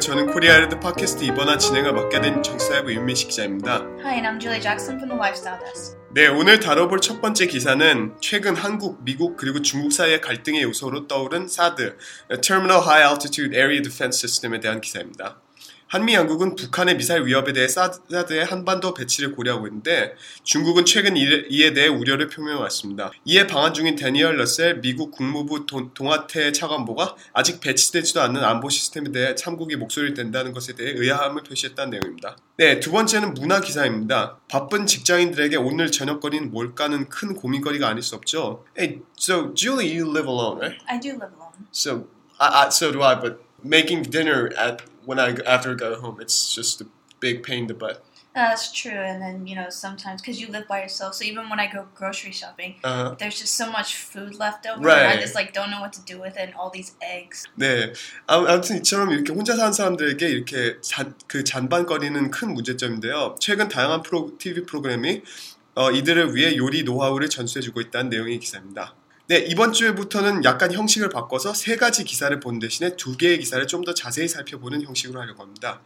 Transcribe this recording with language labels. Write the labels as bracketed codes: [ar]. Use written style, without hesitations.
[ko] 저는 코리아 헤드 팟캐스트 이번화 진행을 맡게 된 정사회부 윤민식 기자입니다. [en] Hi, and I'm Julie Jackson from the Lifestyle Desk. [ko] 네, 오늘 다뤄볼 첫 번째 기사는 최근 한국, 미국 그리고 중국 사이의 갈등의 요소로 떠오른 사드, Terminal High Altitude Area Defense System에 대한 기사입니다. 한미 양국은 북한의 미사일 위협에 대해 사드의 한반도 배치를 고려하고 있는데 중국은 최근 이에 대해 우려를 표명해왔습니다. 이에 방한 중인 대니얼 러셀 미국 국무부 동아태 차관보가 아직 배치되지도 않는 안보 시스템에 대해 참국이 목소리를 낸다는 것에 대해 의아함을 표시했다는 내용입니다. 네, 두 번째는 문화 기사입니다. 바쁜 직장인들에게 오늘 저녁거리는 뭘까는 큰 고민거리가 아닐 수 없죠. [en] Hey, so Julie, you live alone, right? I do live alone. So do I, but making dinner at... After I go home, it's just a big pain in the butt. That's true. And then, you know, sometimes, because you live by yourself, so even when I go grocery shopping, there's just so much food left over. Right. I just, like, don't know what to do with it and all these eggs. [ko] 네. 아무튼 이처럼 이렇게 혼자 사는 사람들에게 이렇게 그 잔반거리는 큰 문제점인데요. 최근 다양한 TV 프로그램이 이들을 위해 요리 노하우를 전수해주고 있다는 내용의 기사입니다. 네, 이번 주에부터는 약간 형식을 바꿔서 세 가지 기사를 본 대신에 두 개의 기사를 좀 더 자세히 살펴보는 형식으로 하려고 합니다.